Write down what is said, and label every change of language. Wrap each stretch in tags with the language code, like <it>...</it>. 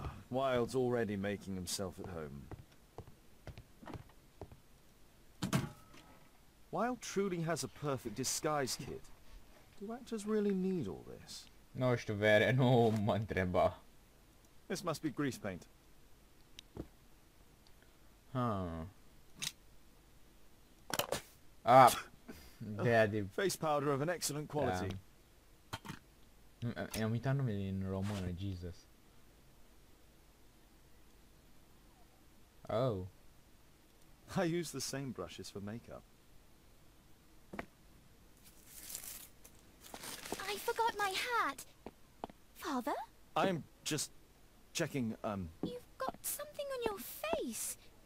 <en>Wilde's already making himself at home. Wilde truly has a perfect disguise kit. Do actors really need all this?</en> <ro>Nu știu, Vere, nu mă întreba.</ro> <en>This must be grease paint. Huh. Ah. Daddy. Face powder of an excellent quality. Yeah.</en> <ro>Am uitat numele în română, Jesus.</ro> <en>Oh. I use the same brushes for makeup. I forgot my hat. Father? I'm just checking, You've got something on your face.</en>